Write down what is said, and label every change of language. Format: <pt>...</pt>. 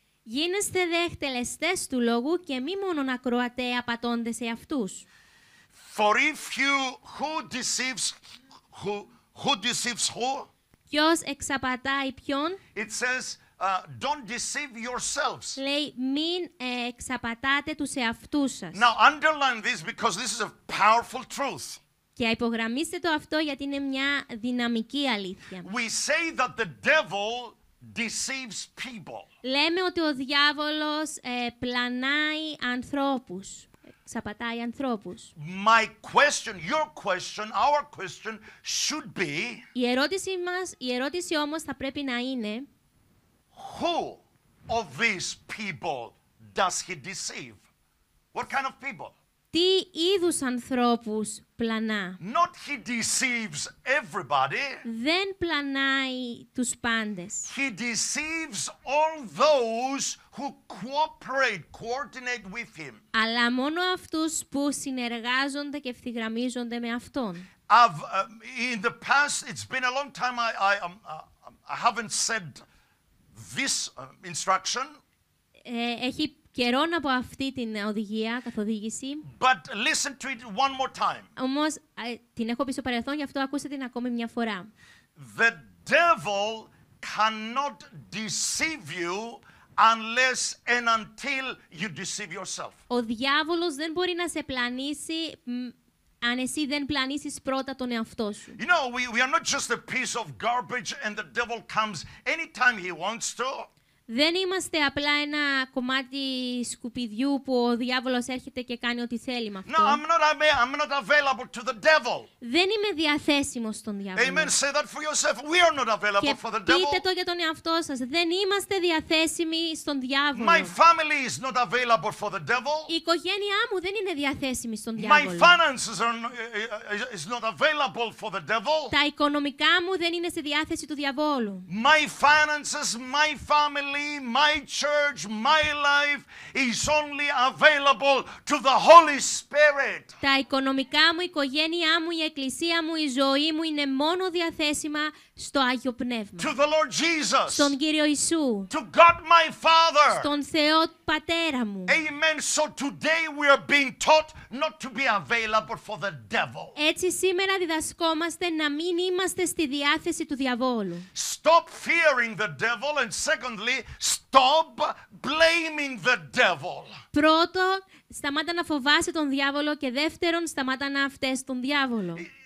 <el>Γίνεστε δε εκτελεστές του Λόγου και μη μόνον ακροατέ απατώντες εαυτούς.</el> <en>For if you who deceives who?</en> <el>Ποιος εξαπατάει ποιον?</el> <en>It says, don't deceive yourselves.</en> <el>Λέει, μην εξαπατάτε τους εαυτούς σας.</el> <en>Now underline this because this is a powerful truth.</en> <el>Και υπογραμμίστε το αυτό γιατί είναι μια δυναμική αλήθεια.</el> <en>We say that the devil deceives people.</en> <el>Λέμε ότι ο διάβολος πλανάει ανθρώπους. Εξαπατάει ανθρώπους.</el> <en>My question, your question, our question should be.</en> <el>Η ερώτησή μας, η ερώτηση όμως θα πρέπει να είναι.</el> <en>Who of these people does he deceive? What kind of people?</en> <el>Τι είδους ανθρώπους πλανά?</el> <en>Not he deceives everybody.</en> <el>Δεν πλανάει τους πάντες.</el> <en>He deceives all those who coordinate with him.</en> <el>Αλλά μόνο αυτούς που συνεργάζονται και ευθυγραμμίζονται με αυτόν.</el> <en>In the past, it's been a long time. I haven't said this instruction.</en> <el>Έχει καιρό να πω αυτή την οδηγία, καθοδήγηση.</el> <en>But listen to it one more time.</en> <el>Όμως, την έχω πει στο παρελθόν, γι' αυτό ακούστε την ακόμη μια φορά.</el> <en>The devil cannot deceive you unless and until you deceive yourself.</en> <el>Ο διάβολος δεν μπορεί να σε πλανήσει αν εσύ δεν πλανήσεις πρώτα τον εαυτό σου.</el> <en>You know, we are not just a piece of garbage and the devil comes anytime he wants to.</en> <el>Δεν είμαστε απλά ένα κομμάτι σκουπιδιού που ο διάβολος έρχεται και κάνει ό,τι θέλει με αυτό.</el> <en>No, I'm not available to the devil.</en> <el>Δεν είμαι διαθέσιμος στον διάβολο.</el> <en>Amen. Say that for yourself. We are not available</en> <el>και</el> <en>for the devil.</en> <el>Πείτε το για τον εαυτό σας. Δεν είμαστε διαθέσιμοι στον διάβολο.</el> <en>My family is not available for the devil.</en> <el>Η οικογένειά μου δεν είναι διαθέσιμη στον διάβολο.</el> <en>My finances is not available for the devil.</en> <el>Τα οικονομικά μου δεν είναι σε διάθεση του διαβόλου.</el> <en>My finances, my family, my church, my life is only available to the Holy Spirit.</en> <el>Τα οικονομικά μου, η οικογένειά μου, η εκκλησία μου, η ζωή μου είναι μόνο διαθέσιμα στο Άγιο Πνεύμα.</el> <en>To the Lord Jesus.</en> <el>Στον Κύριο Ιησού.</el> <en>To God my Father.</en> <el>Στον Θεό Πατέρα μου.</el> <en>Amen. So today we are being taught not to be available for the devil.</en> <el>Έτσι σήμερα διδασκόμαστε να μην είμαστε στη διάθεση του διαβόλου.</el> <en>Stop fearing the devil and secondly, stop blaming the devil.</en> <el>Πρώτο, σταμάτα να φοβάσαι τον διάβολο και δεύτερον, σταμάτα να φταίς τον διάβολο.</el>